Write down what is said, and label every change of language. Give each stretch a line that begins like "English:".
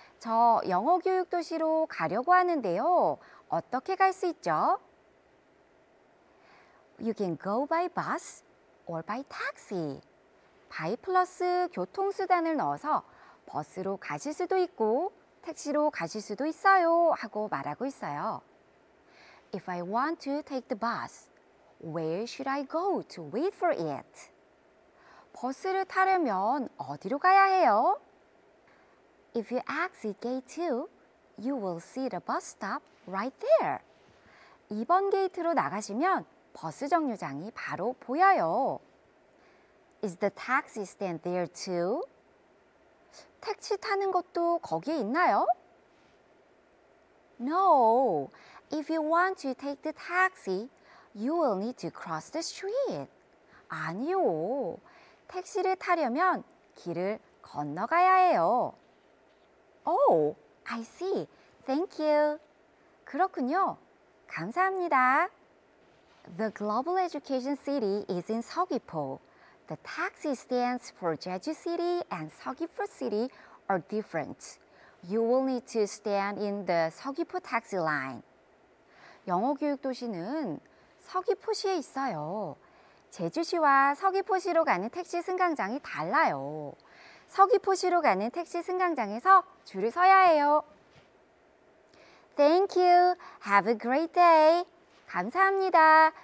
Korean: 저 영어 교육 도시로 가려고 하는데요. 어떻게 갈 수 있죠?
English: You can go by bus or by taxi.
Korean: By 플러스 교통수단을 넣어서 버스로 가실 수도 있고 택시로 가실 수도 있어요 하고 말하고 있어요.
English: If I want to take the bus, where should I go to wait for it?
Korean: 버스를 타려면 어디로 가야 해요?
English: If you exit gate 2, you will see the bus stop right there.
Korean: 2번 게이트로 나가시면 버스 정류장이 바로 보여요.
English: Is the taxi stand there too?
Korean: 택시 타는 것도 거기에 있나요?
English: No. If you want to take the taxi, you will need to cross the street.
Korean: 아니요. 택시를 타려면 길을 건너가야 해요.
English: Oh, I see. Thank you.
Korean: 그렇군요. 감사합니다.
English: The Global Education City is in Seogwipo. The taxi stands for Jeju City and Seogwipo City are different. You will need to stand in the Seogwipo taxi line.
Korean: 영어 교육 도시는 서귀포시에 있어요. 제주시와 서귀포시로 가는 택시 승강장이 달라요. 서귀포시로 가는 택시 승강장에서 줄을 서야 해요.
English: Thank you. Have a great day.
Korean: 감사합니다.